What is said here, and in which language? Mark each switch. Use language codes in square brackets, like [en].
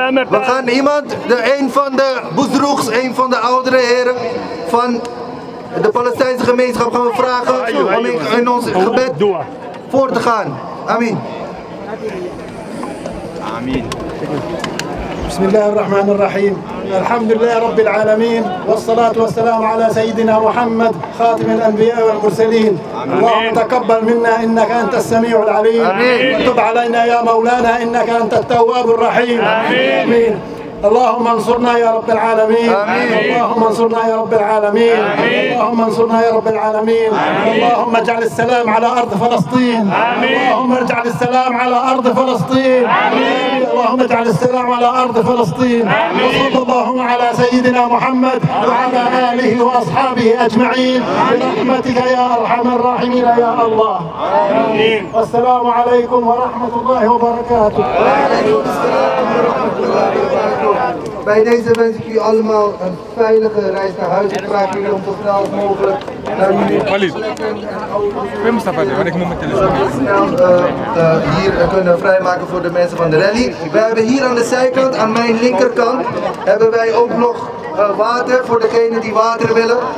[nl] We gaan iemand, een van de boezroegs, een van de oudere heren van de Palestijnse gemeenschap gaan we vragen om in ons gebed voor te gaan. [ar] Amin. Amin. بسم الله الرحمن الرحيم الحمد لله رب العالمين والصلاة والسلام على سيدنا محمد خاتم الأنبياء والمرسلين اللهم تقبل منا إنك أنت السميع العليم وتب علينا يا مولانا إنك أنت التواب الرحيم آمين. اللهم انصرنا يا رب العالمين اللهم انصرنا يا رب العالمين اللهم انصرنا يا رب العالمين اللهم اجعل السلام على ارض فلسطين اللهم اجعل السلام على ارض فلسطين اللهم اجعل السلام على ارض فلسطين وصلى الله على سيدنا محمد وعلى اله واصحابه اجمعين برحمتك يا ارحم الراحمين يا الله امين والسلام عليكم ورحمه الله وبركاته وعليكم السلام ورحمه الله وبركاته [nl] Bij deze wens ik u allemaal een veilige reis naar huis. Ik vraag jullie om zo snel mogelijk naar jullie plekken en auto's. Ik moet mijn telefoon. Zo snel hier kunnen vrijmaken voor de mensen van de rally. We hebben hier aan de zijkant, aan mijn linkerkant, hebben wij ook nog water voor degenen die water willen.